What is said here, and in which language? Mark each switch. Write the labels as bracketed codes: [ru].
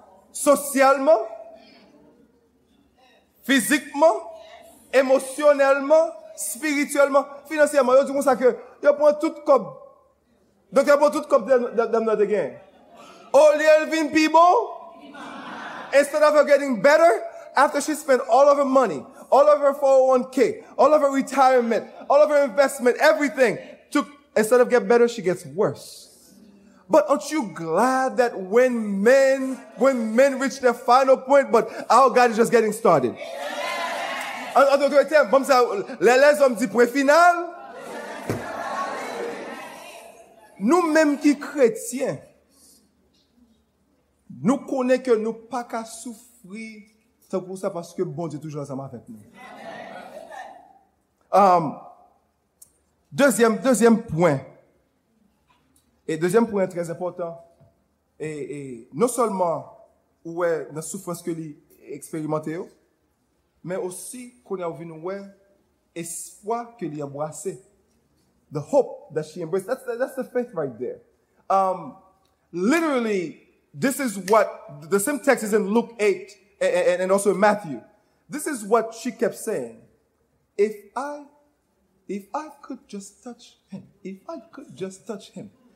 [fr] Socialement, physiquement, émotionnellement, spirituellement, financièrement, yo dit comme ça que yo prend tout comme. Donc yo prend tout comme dans notre gain. [en] Only helping people, instead of her getting better, after she spent all of her money, all of her 401k, all of her retirement, all of her investment, everything, took, instead of get better, she gets worse. But aren't you glad that when men reach their final point, but our God is just getting started? [fr] En d'autres termes, les hommes disent pré-final. Nous-mêmes qui chrétiens, nous connaissons que nous pas qu'à souffrir, c'est pour ça parce que bon Dieu toujours ensemble avec nous. Deuxième point. Et deuxième point très important. Et non seulement où est la souffrance que lui expérimenté, mais aussi qu'on a vu nous espoir que lui embrassé. [en] The hope that she embraced. That's the faith right there. Literally. This is what, the same text is in Luke 8 and also in Matthew. This is what she kept saying. If I could just touch him, if I could just touch him.